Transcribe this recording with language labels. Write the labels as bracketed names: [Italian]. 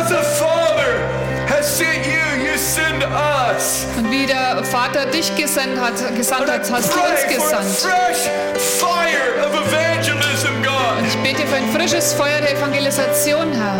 [English] As the Father has sent you, you send us. [German] Und wie der Vater dich gesandt hat, hast du uns gesandt. [English] For a fresh fire of evangelism, God. [German] Und ich bete für ein frisches Feuer der Evangelisation, Herr.